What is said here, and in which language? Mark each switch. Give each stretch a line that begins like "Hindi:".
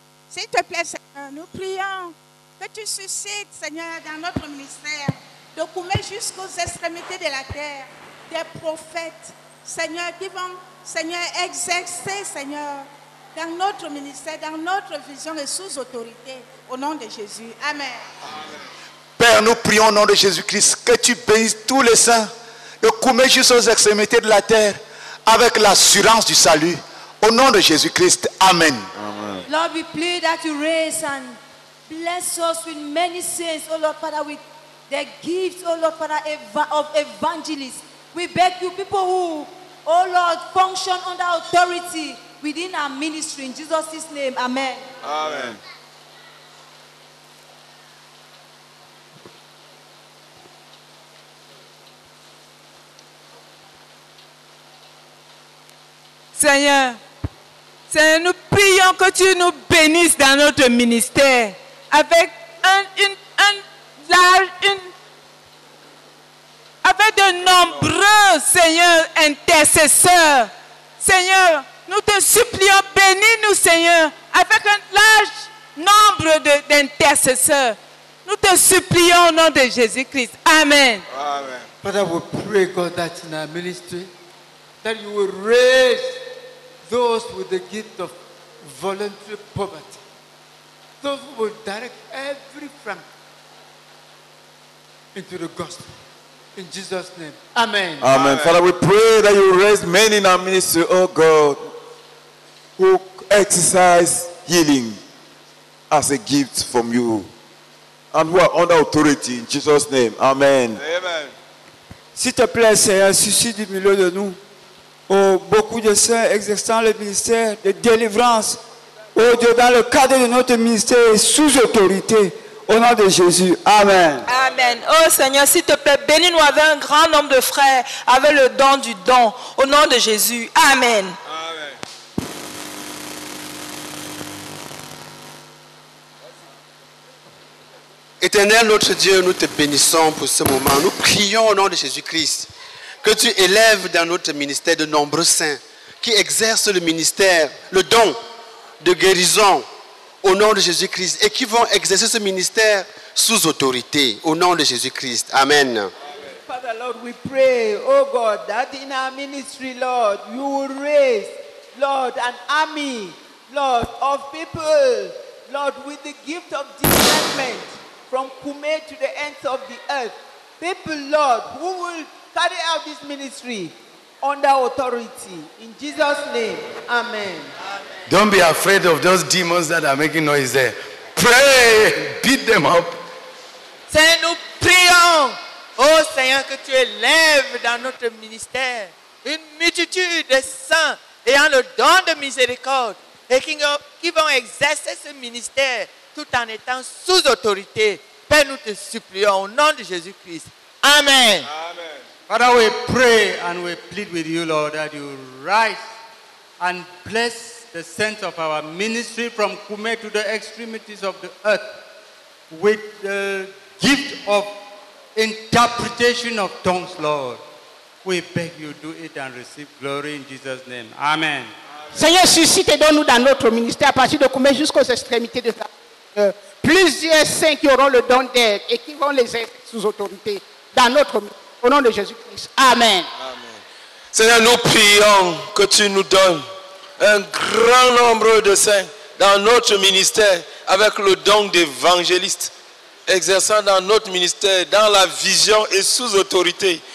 French: S'il te plaît, Seigneur, nous prions que tu suscites, Seigneur, dans notre ministère, de couper jusqu'aux extrémités de la terre des prophètes, Seigneur, qui vont, Seigneur, exercer, Seigneur, dans notre ministère, dans notre vision et sous autorité, au nom de Jésus. Amen. Père, nous prions au nom de Jésus-Christ que tu bénisses tous les saints, de couper jusqu'aux extrémités de la terre avec l'assurance du salut. Au nom de Jésus-Christ, amen.
English: Lord, we plead that you raise and bless us with many saints, oh Lord Father, with the gifts, oh Lord Father, of evangelists. We beg you, people who, oh Lord, function under authority within our ministry. In Jesus' name, amen. Amen.
French: Seigneur. Seigneur, nous prions que tu nous bénisses dans notre ministère avec avec de nombreux, Seigneur, intercesseurs. Seigneur, nous te supplions, bénis-nous, Seigneur, avec un large nombre d'intercesseurs. Nous te supplions au nom de Jésus-Christ. Amen. Amen.
English: Father, we pray, God, that in our ministry, that you will raise those with the gift of voluntary poverty. Those who will direct every franc into the gospel. In Jesus' name. Amen. Amen. Amen. Father, we pray that you raise men in our ministry, oh God, who exercise healing as a gift from you and who are under authority in Jesus' name. Amen. Amen.
French: S'il te plaît, Seigneur, suscite du milieu de nous. Oh, beaucoup de saints exerçant le ministère de délivrance. Oh Dieu, dans le cadre de notre ministère sous autorité, au nom de Jésus. Amen. Amen. Oh Seigneur, s'il te plaît, bénis-nous avec un grand nombre de frères, avec le don du don, au nom de Jésus. Amen. Amen. Éternel notre Dieu, nous te bénissons pour ce moment. Nous prions au nom de Jésus-Christ. Que tu élèves dans notre ministère de nombreux saints qui exercent le ministère, le don de guérison au nom de Jésus-Christ et qui vont exercer ce ministère sous autorité au nom de Jésus-Christ. Amen. Amen.
English: Father Lord, we pray, oh God, that in our ministry, Lord, you will raise, Lord, an army, Lord, of people, Lord, with the gift of discernment from Kume to the ends of the earth. People, Lord, who will carry out this ministry under authority. In Jesus' name, amen. Don't be afraid of those demons that are making noise there. Pray, beat them up.
French: Seigneur, nous prions, oh Seigneur, que tu élèves dans notre ministère une multitude de saints ayant le don de miséricorde et qui vont exercer ce ministère tout en étant sous autorité. Père, nous te supplions au nom de Jésus-Christ. Amen. Amen.
English: Father, we pray and we plead with you, Lord, that you rise and bless the saints of our ministry from Kume to the extremities of the earth with the gift of interpretation of tongues, Lord. We beg you do it and receive glory in Jesus' name. Amen.
French: Seigneur, suscite et donne-nous dans notre ministère à partir de Kume jusqu'aux extrémités de la terre. Plusieurs saints qui auront le don d'aide et qui vont les aider sous autorité dans notre ministère. Au nom de Jésus-Christ. Amen. Amen. Seigneur, nous prions que tu nous donnes un grand nombre de saints dans notre ministère avec le don d'évangéliste exerçant dans notre ministère, dans la vision et sous autorité.